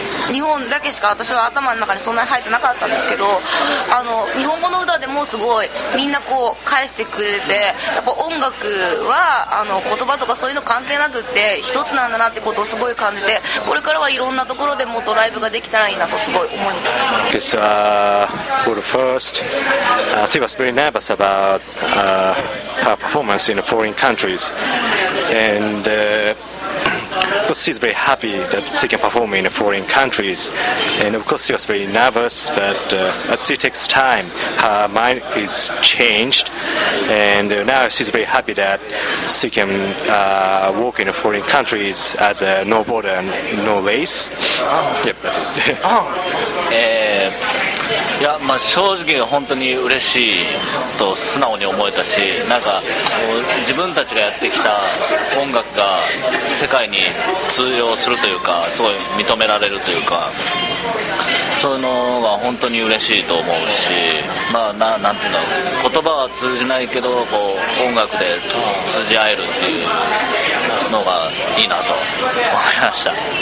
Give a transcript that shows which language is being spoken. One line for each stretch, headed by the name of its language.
Japanese: 日本だけしか私は頭の中にそんなに入ってなかったんですけど、あの日本語の歌でもすごいみんなこう返してくれて、やっぱ音楽はあの言葉とかそういうの関係なくって一つなんだなってことをすごい感じて、これからはいろんなところでもっとライブができたらいいなとすごい思います。
English: Yes, for the first, she was very nervous about her performance in foreign countries, and of course she's very happy that she can perform in foreign countries, and of course she was very nervous, but as she takes time, her mind is changed, and now she's very happy that she can walk in foreign countries as a no border and no lace. Yep, that's it.
Japanese: いや、まあ、正直本当に嬉しいと素直に思えたし、なんか自分たちがやってきた音楽が世界に通用するというか、すごい認められるというか、そういうのは本当に嬉しいと思うし、まあ、なんていうの、言葉は通じないけどこう音楽で通じ合えるっていうのがいいなと思いました。